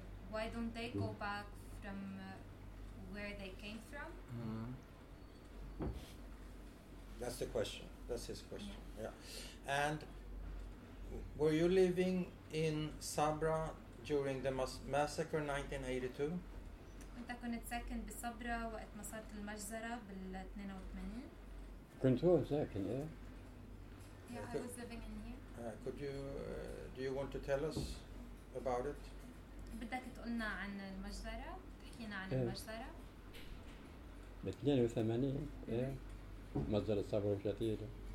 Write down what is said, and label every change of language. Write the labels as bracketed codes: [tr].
[en] Why don't they go back from where they came from?" Mm-hmm. That's the question. That's his question. Yeah. And were you living in Sabra during the massacre, 1982? [ar] أنت كنت ساكن بصبرة وقت ما صارت المجزرة بال 82؟ كنت هو ساكن إيه. [en] Yeah, I was living in here. Do you want to tell us about it? [ar] بدك تقولنا عن المجزرة؟ تحكينا عن المجزرة؟ ب 82 إيه مجزرة صبرا الجديدة.